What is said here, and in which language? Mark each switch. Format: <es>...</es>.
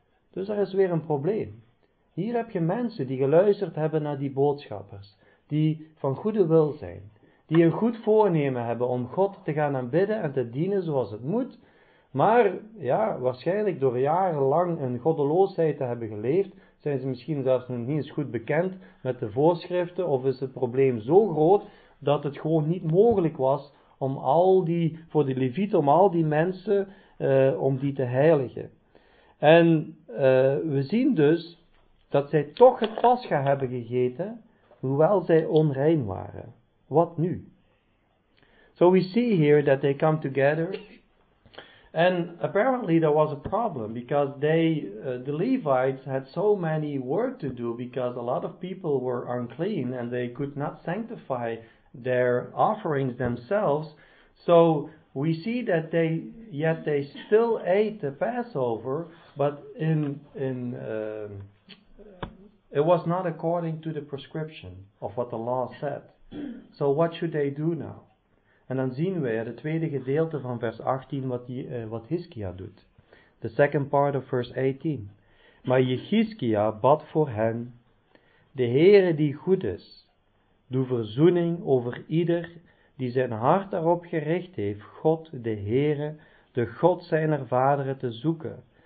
<nl>Dus er is weer een probleem. Hier heb je mensen die geluisterd hebben naar die boodschappers, die van goede wil zijn, die een goed voornemen hebben om God te gaan aanbidden en te dienen zoals het moet, maar ja, waarschijnlijk door jarenlang in goddeloosheid te hebben geleefd, zijn ze misschien zelfs nog niet eens goed bekend met de voorschriften, of is het probleem zo groot dat het gewoon niet mogelijk was om al die mensen te heiligen. En we zien dus dat zij toch het Pascha hebben gegeten, hoewel zij onrein waren. Wat nu?</nl> <en>So we see here that they come together. And apparently there was a problem because the Levites had so many work to do because a lot of people were unclean and they could not sanctify their offerings themselves. So we see that they still ate the Passover, but it was not according to the prescription of what the law said. So what should they do now?</en> <nl>En dan zien we het tweede gedeelte van vers 18 wat Hizkia doet.</nl> <en>The second part of verse 18.</en> <nl>Maar Hizkia bad voor hen, de Heere die goed is, doe verzoening over ieder die zijn hart daarop gericht heeft, God de Heere, de God zijner vaderen te zoeken.</nl>